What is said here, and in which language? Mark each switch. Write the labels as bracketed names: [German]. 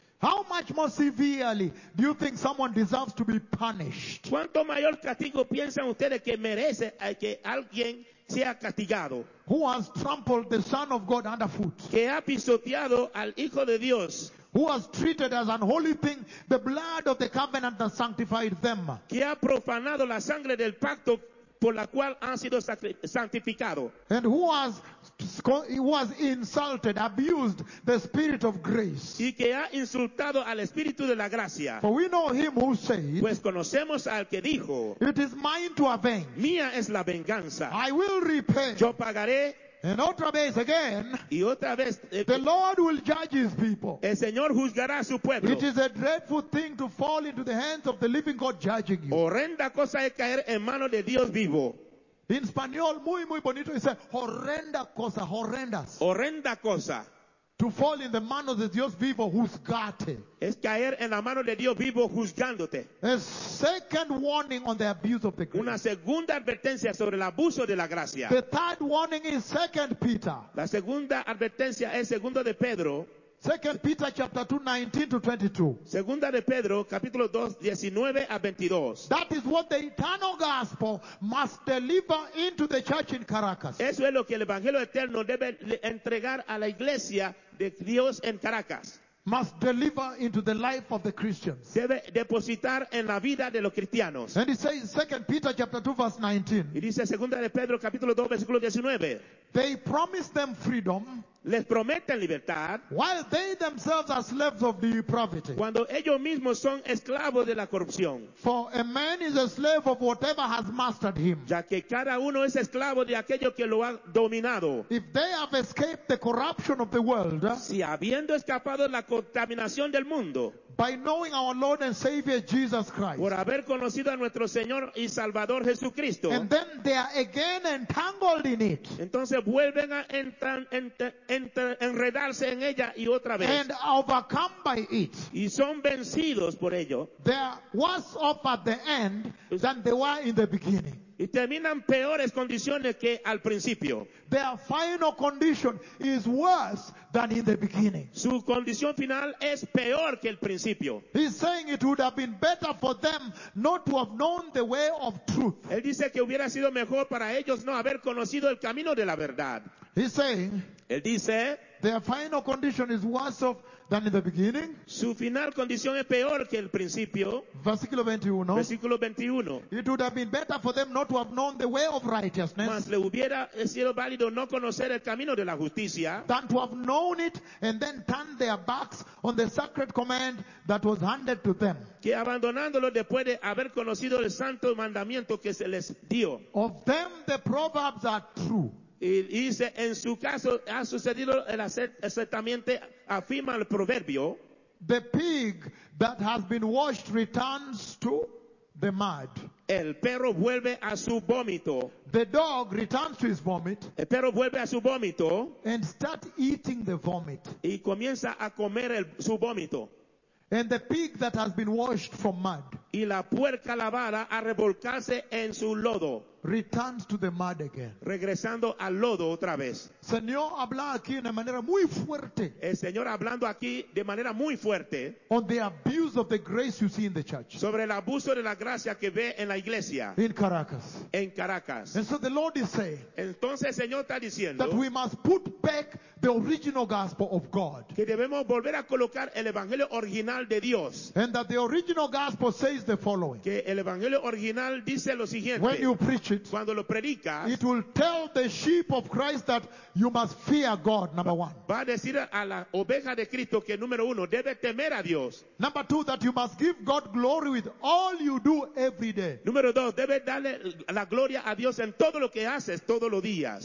[English] How much more severely do you think someone deserves to be punished? [Spanish] ¿Cuánto mayor castigo piensan ustedes que merece que alguien sea castigado? [English] Who has trampled the Son of God underfoot? [Spanish] Que ha pisoteado al Hijo de Dios. [English] Who has treated as unholy thing the blood of the covenant that sanctified them? [Spanish] Que ha profanado la sangre del pacto por la cual han sido santificado. [English] And who has insulted, abused the Spirit of grace? [Spanish] Y que ha insultado al Espíritu de la gracia. [English] For we know him who said, [Spanish] pues conocemos al que dijo, [English] it is mine to avenge. [Spanish] Mía es la venganza. [English] I will repay. [Spanish] Yo pagaré. [English] And [Spanish] otra vez [English] again, [Spanish] y otra vez, [English] the Lord will judge his people. [Spanish] El Señor juzgará a su pueblo. [English] It is a dreadful thing to fall into the hands of the living God judging you. [Spanish] Horrenda cosa es caer en mano de Dios vivo. In español, muy, muy bonito, dice, horrenda cosa, horrendas. Horrenda cosa. [English] To fall in the [Spanish] mano de Dios vivo, juzgarte. Es caer en la mano de Dios vivo, juzgándote. [English] A second warning on the abuse of the grace. [Spanish] Una segunda advertencia sobre el abuso de la gracia. [English] The third warning is Second Peter. [Spanish] La segunda advertencia es Segundo de Pedro. [English] Second Peter chapter 2, 19 to 22. [Spanish] Segunda de Pedro, capítulo 2, 19 a 22. [English] That is what the eternal gospel must deliver into the church in Caracas. [Spanish] Eso es lo que el Evangelio Eterno debe entregar a la iglesia de Dios en Caracas. [English] Must deliver into the life of the Christians. [Spanish] Debe depositar en la vida de los cristianos. [English] And it says in 2 Peter chapter 2 verse 19. [Spanish] Y dice Segunda de Pedro capítulo 2 versículo 19. [English] They promise them freedom. [Spanish] Les prometen libertad. [English] While they themselves are slaves of depravity. [Spanish] Cuando ellos mismos son esclavos de la corrupción. [English] For a man is a slave of whatever has mastered him. [Spanish] Ya que cada uno es esclavo de aquello que lo ha dominado. [English] If they have escaped the corruption of the world. [Spanish] Si habiendo escapado la contaminación del mundo. [English] By knowing our Lord and Savior Jesus Christ. [Spanish] Por haber conocido a nuestro Señor y Salvador Jesucristo. [English] And then they are again entangled in it. [Spanish] Entonces vuelven a enredarse en ella y otra vez. [English] And overcome by it. [Spanish] Y son vencidos por ello. [English] They are worse off at the end than they were in the beginning. [Spanish] Y terminan peores condiciones que al principio. [English] Their final condition is worse than in the beginning. [Spanish] Su condición final es peor que el principio. [English] He's saying it would have been better for them not to have known the way of truth. [Spanish] Él dice que hubiera sido mejor para ellos no haber conocido el camino de la verdad. [English] He's saying, [Spanish] él dice, [English] their final condition is worse off than in the beginning. [Spanish] Su final condición es peor que el principio. Versículo 21. Versículo 21. [English] It would have been better for them not to have known the way of righteousness. [Spanish] Mas le hubiera sido válido no conocer el camino de la justicia. [English] Than to have known it and then turned their backs on the sacred command that was handed to them. [Spanish] Que abandonándolo después de haber conocido el santo mandamiento que se les dio. [English] Of them the proverbs are true. [Spanish] Y dice, en su caso ha sucedido el acertamiento, afirma el proverbio. [English] The pig that has been washed returns to the mud. [Spanish] El perro vuelve a su vómito. [English] The dog returns to his vomit. [Spanish] El perro vuelve a su vómito. [English] And start eating the vomit. [Spanish] Y comienza a comer su vómito. [English] And the pig that has been washed from mud. [Spanish] Y la puerca lavada a revolcarse en su lodo. [English] Returns to the mud again. [Spanish] Regresando al lodo otra vez. Señor habla aquí de manera muy fuerte. El Señor hablando aquí de manera muy fuerte. [English] On the abuse of the grace you see in the church. [Spanish] Sobre el abuso de la gracia que ve en la iglesia. [English] In Caracas. [Spanish] En Caracas. [English] And so the Lord is saying. [Spanish] Entonces el Señor está diciendo. [English] That we must put back the original gospel of God. [Spanish] Que debemos volver a colocar el evangelio original de Dios. [English] And that the original gospel says the following. [Spanish] Que el evangelio original dice lo siguiente. [English] When you preach. [Spanish] Cuando lo predicas, [English] it will tell the sheep of Christ that you must fear God, number one. [Spanish] Va a decir a la oveja de Cristo que número uno debe temer a Dios. [English] Number two, that you must give God glory with all you do every day. [Spanish] Número dos, debe darle la gloria a Dios en todo lo que haces todos los días.